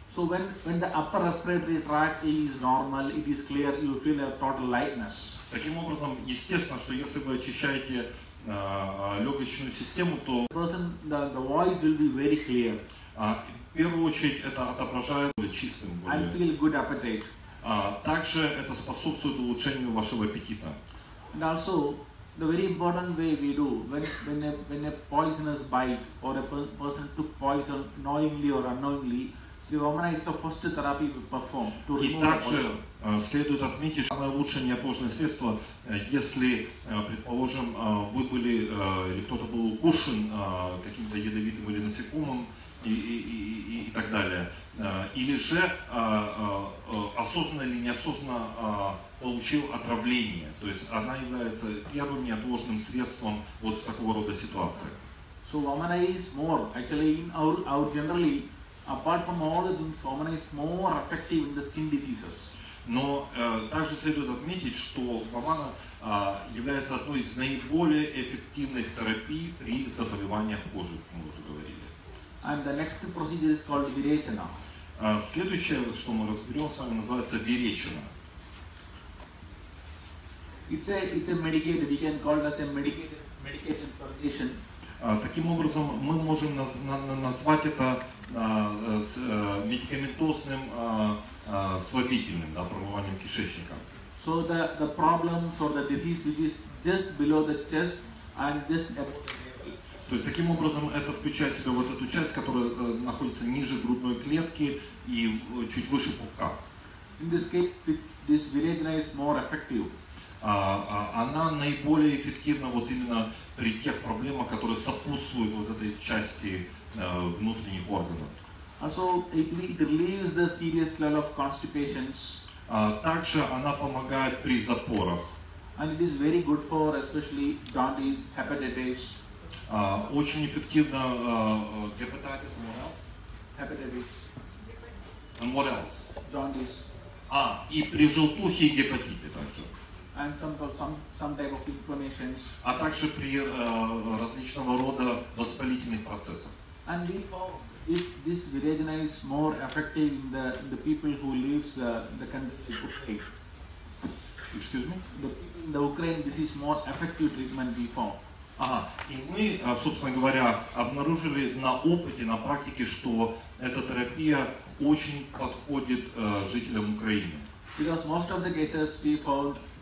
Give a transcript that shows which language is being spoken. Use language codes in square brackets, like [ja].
[en] So when the upper respiratory tract is normal, it is clear, you feel a total lightness. [ru] Таким образом, естественно, что если вы очищаете легочную систему, то [en] person, the voice will be very clear. [ru] В первую очередь это отображает чистым. [en] I feel good appetite. [ru] Также это способствует улучшению вашего аппетита. [en] And also, the very important way we do, when a poisonous bite or a person took poison knowingly or unknowingly, so vomana is the first therapy we perform to remove the poison. [ru] И также следует отметить, что самое лучшее неопожное средство, если, предположим, вы были или кто-то был укушен каким-то ядовитым или насекомым и так далее, или же осознанно или неосознанно получил отравление, то есть она является первым неотложным средством вот в такого рода ситуации. [en] So vomana is more actually in our generally apart from all the things, vomana is more effective in the skin diseases. [ru] Но также следует отметить, что vomana является одной из наиболее эффективных терапий при заболеваниях кожи, как мы уже говорили. [en] And the next procedure is called virechana. [ru] Следующее, что мы разберем с вами, называется virechana. [en] It's a medicated, we can call it as a medicated purgation. [ru] Таким образом, мы можем назвать это медикаментозным слабительным, да, промыванием кишечника. [en] So the problems or the disease which is just below the chest and just above the navel. [ru] То есть, таким образом, это включает в себя вот эту часть, которая находится ниже грудной клетки и чуть выше пупка. [en] In this case, this virechana is more effective. [ru] Она наиболее эффективна вот именно при тех проблемах, которые сопутствуют вот этой части внутренних органов. [en] Also, it relieves the serious level of constipations. [ru] Также она помогает при запорах. [en] And it is very good for especially jaundice, hepatitis. [ru] Очень эффективно гепатитис, [en] and what else? Hepatitis. And what else? Jaundice. [ru] И при желтухе и гепатите также. [en] And some type of inflammations. [ru] А также при различного рода воспалительных процессах. [en] And therefore, this virechana is more effective in the people who lives the country Ukraine. Excuse me. The Ukraine, this is more effective treatment before. [ru] И мы, собственно говоря, обнаружили на опыте, на практике, что эта терапия очень подходит жителям Украины. [en] Because most of the cases we found